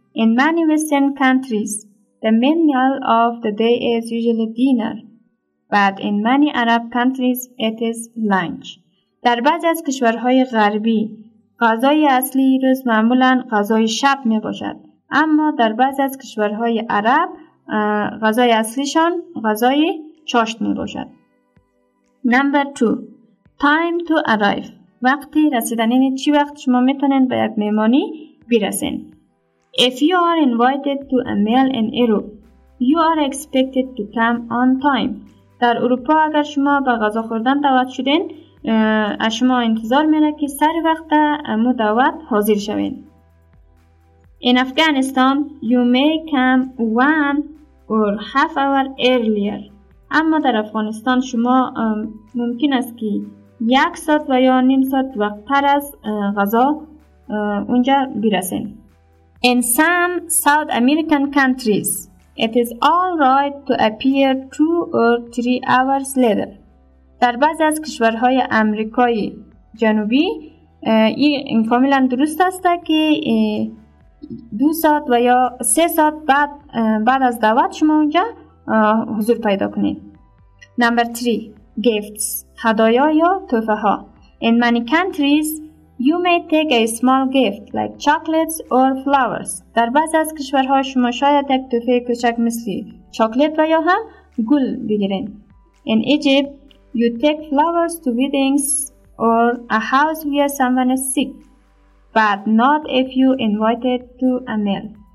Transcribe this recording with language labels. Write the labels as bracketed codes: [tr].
[en] In many Western countries, the main meal of the day is usually dinner. But in many Arab countries, it is lunch. [fa] در بعضی از کشورهای غربی، غذای اصلی روز معمولاً غذای شب می باشد. اما در بعضی از کشورهای عرب غذای اصلیشان غذای چاشت می باشد. [en] Number 2. Time to arrive. [fa] وقتی رسیدن این چی وقت شما می توانید به یک مهمانی برسید. [en] If you are invited to a meal in Europe, you are expected to come on time. [fa] در اروپا اگر شما به غذا خوردن دعوت شدین، از شما انتظار میره که سر وقت مدعوت حاضر شوین. [en] In Afghanistan, you may come one or half hour earlier. [fa] اما در افغانستان شما ممکن است که یک ساعت و یا نیم ساعت وقت تر از غذا اونجا برسین. [en] In some South American countries, it is all right to appear 2 or 3 hours later. [fa] در بعضی از کشورهای آمریکای جنوبی این کاملا درست است که 2 ساعت و یا 3 ساعت بعد از دعوت شما اونجا حضور پیدا کنید. [en] Number 3. Gifts. [fa] هدایا یا تحفه ها. [en] In many countries, you may take a small gift like chocolates or flowers. [fa] در بعضی از کشورها شما شاید یک تحفه کوچک مثل چاکلیت و یا هم گل بگیرین. [en] In Egypt, you take flowers to weddings or a house where someone is sick, but not if you invited to a meal.